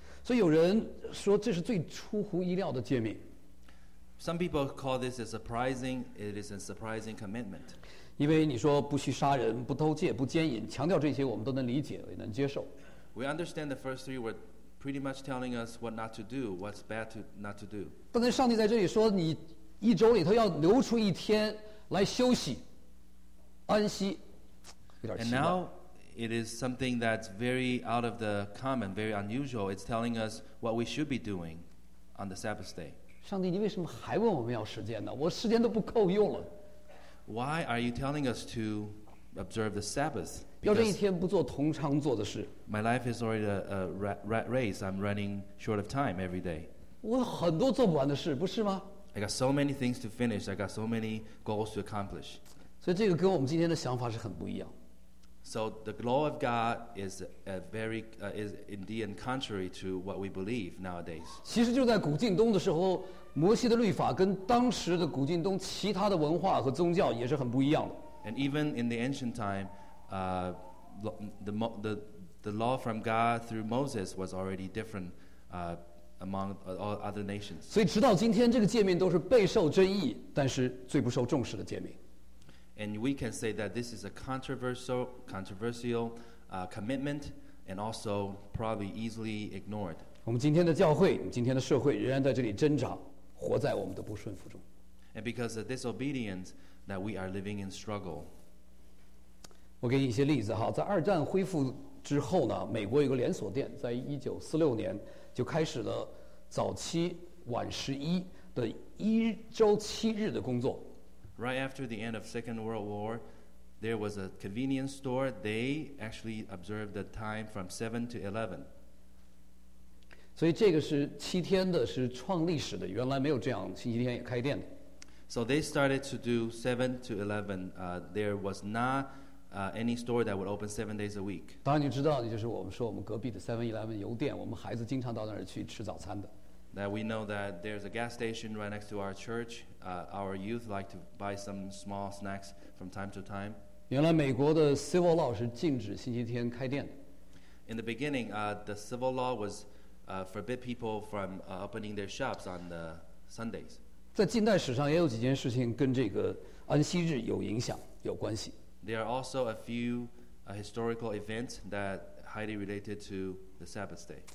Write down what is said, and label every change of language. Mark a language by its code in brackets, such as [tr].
[zh] 所以有人说这是最出乎意料的诫命。 [en] Some people call this a surprising, it is a surprising commitment. [zh] 因为你说不许杀人，不偷窃，不奸淫，强调这些我们都能理解，也能接受。 [en] We understand the first three were pretty much telling us what not to do, what's bad to not to do. [zh] 但是上帝在这里说，你一周里头要留出一天来休息，安息。 [en] And now it is something that's very out of the common, very unusual. It's telling us what we should be doing on the Sabbath day. [zh] 上帝，你为什么还问我们要时间呢？我时间都不够用了。 [en] Why are you telling us to observe the Sabbath? [zh] 要这一天不做同常做的事。 [en] My life is already a rat race. I'm running short of time every day. [zh] 我很多做不完的事，不是吗 [en] ？I got so many things to finish. I got so many goals to accomplish. [zh] 所以这个跟我们今天的想法是很不一样。 [en] So the law of God is a very is indeed and contrary to what we believe nowadays. [zh] 其实就在古近东的时候，摩西的律法跟当时的古近东其他的文化和宗教也是很不一样的。 [en] And even in the ancient time, the law from God through Moses was already different among all other nations. [zh] 所以直到今天，这个诫命都是备受争议，但是最不受重视的诫命。 [en] And we can say that this is a controversial commitment and also probably easily ignored. [zh] 我们今天的教会，今天的社会仍然在这里挣扎，活在我们的不顺服中。 [en] And because of disobedience that we are living in struggle. [zh] 我给你一些例子哈，在二战恢复之后呢，美国有个连锁店在1946年就开始了早七晚十一的一周七日的工作。 [en] Right after the end of Second World War, there was a convenience store. They actually observed the time from 7 to 11. [zh] 所以这个是七天的，是创历史的。原来没有这样，星期天也开店的。 [en] So they started to do 7 to 11. There was not any store that would open 7 days a week. [zh] 当然你知道，就是我们说我们隔壁的 7-Eleven 油店，我们孩子经常到那儿去吃早餐的。 [en] That we know that there's a gas station right next to our church. Our youth like to buy some small snacks from time to time. [zh] 原来美国的 civil law 是禁止星期天开店。 [en] In the beginning, the civil law was forbid people from opening their shops on the Sundays. [zh] 在近代史上也有几件事情跟这个安息日有影响，有关系。 [en] There are also a few historical events that highly related to the Sabbath day.